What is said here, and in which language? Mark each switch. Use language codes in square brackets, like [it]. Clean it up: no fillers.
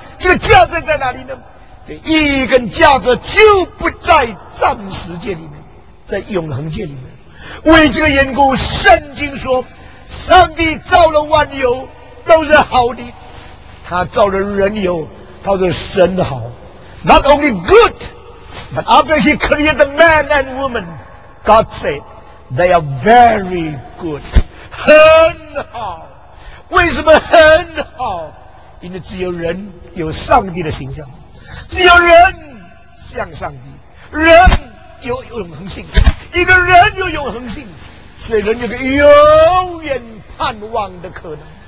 [zh] 这个价值在哪里呢？这个、意义跟价值就不在暂时界里面，在永恒界里面。为这个缘故，圣经说，上帝造了万有都是好的，他造了人有，他是神好。 [en] Not only good, but after he created the man and woman, God said, they are very good. [zh] 很好。为什么很好？因为只有人有上帝的形象，只有人像上帝，人有永恒性。一个人有永恒性，所以人有个永远盼望的可能。